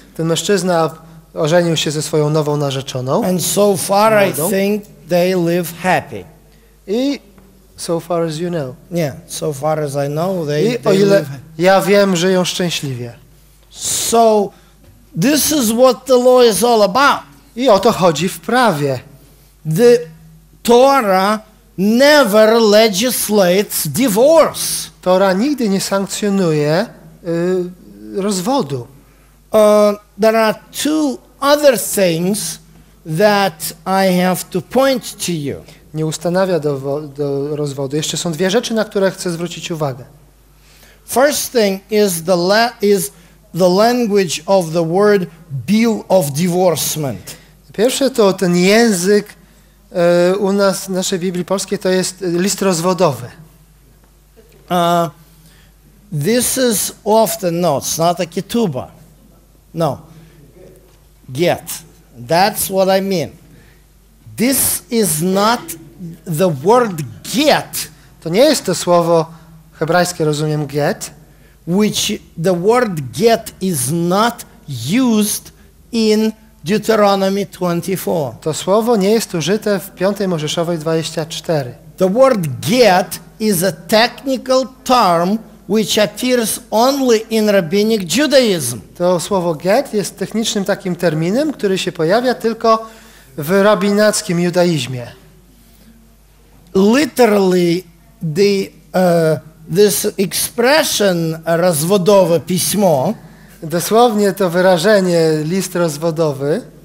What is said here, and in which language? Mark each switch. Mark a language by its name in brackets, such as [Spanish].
[Polish] Ten mężczyzna ożenił się ze swoją nową narzeczoną. [English] And so far I think they live happy. I so far as you know. Yeah, so far as I know they live. [Polish] I o ile ja wiem, żyją szczęśliwie. [English] So this is what the law is all about. [Polish] I o to chodzi w prawie. [English] The Torah never legislates divorce. [Polish] Tora nigdy nie sankcjonuje rozwodu. [English] There are two other things that I have to point to you. [Polish] Nie ustanawia do rozwodu. Jeszcze są dwie rzeczy, na które chcę zwrócić uwagę. [English] First thing is the language of the word bill of divorcement. [Polish] Pierwsze to ten język U nas w naszej Biblii polskiej to jest list rozwodowy. [English] This is often not, it's not a ketubah. No. Get. That's what I mean. This is not the word get. [Polish] To nie jest to słowo hebrajskie, rozumiem, get. [English] Which the word get is not used in Deuteronomy 24. [Polish] To słowo nie jest użyte w 5 Mojżeszowej 24. [English] The word get is a technical term which appears only in rabbinic Judaism. [Polish] To słowo get jest technicznym takim terminem, który się pojawia tylko w rabinackim judaizmie. [English] Literally the this expression [Polish] rozwodowe pismo, dosłownie to wyrażenie list rozwodowy,